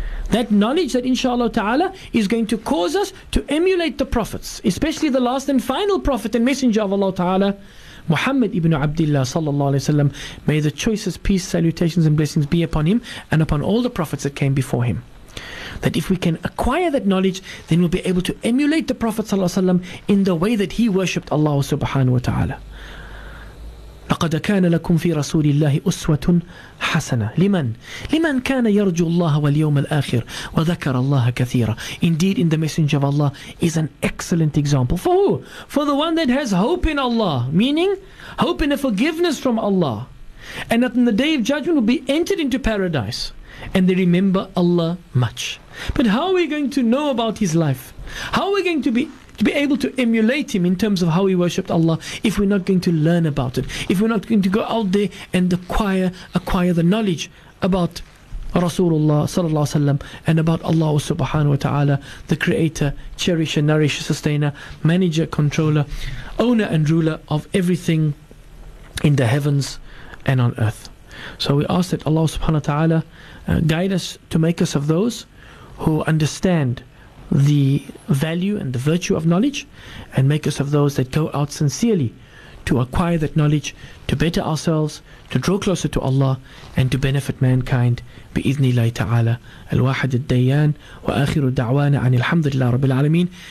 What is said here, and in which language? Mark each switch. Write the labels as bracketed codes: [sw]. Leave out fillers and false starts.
[en] That knowledge that inshallah ta'ala is going to cause us to emulate the prophets, especially the last and final prophet and messenger of Allah ta'ala, Muhammad ibn Abdullah sallallahu alayhi wa sallam. May the choicest peace, salutations and blessings be upon him and upon all the prophets that came before him. That if we can acquire that knowledge, then we'll be able to emulate the Prophet sallallahu alayhi wa sallam in the way that he worshipped Allah subhanahu wa ta'ala. [ar] لقد كان لكم في رسول الله أسوة حسنة لمن كان يرجو الله واليوم الآخر وذكر الله كثيرا. [en] Indeed, in the Messenger of Allah is an excellent example. For who? For the one that has hope in Allah, meaning hope in a forgiveness from Allah, and that in the Day of Judgment will be entered into paradise, and they remember Allah much. But how are we going to know about his life? How are we going to be able to emulate him in terms of how he worshipped Allah if we're not going to learn about it? If we're not going to go out there and acquire the knowledge about Rasulullah sallallahu alaihi wasallam and about Allah subhanahu wa ta'ala, the creator, cherisher, nourisher, sustainer, manager, controller, owner and ruler of everything in the heavens and on earth. So we ask that Allah subhanahu wa ta'ala guide us to make us of those who understand the value and the virtue of knowledge, and make us of those that go out sincerely to acquire that knowledge, to better ourselves, to draw closer to Allah, and to benefit mankind. [ar] بإذن الله تعالى الواحد الديان وآخر الدعوانا عن الحمد لله رب العالمين.